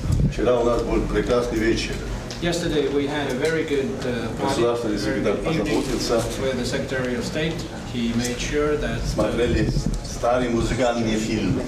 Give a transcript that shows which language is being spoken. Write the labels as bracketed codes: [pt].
[ru] Вчера у нас был прекрасный вечер. [en] Yesterday we had a very good party. With the Secretary of State, he made sure that. [ru] Смотрели старые музыкальные фильмы.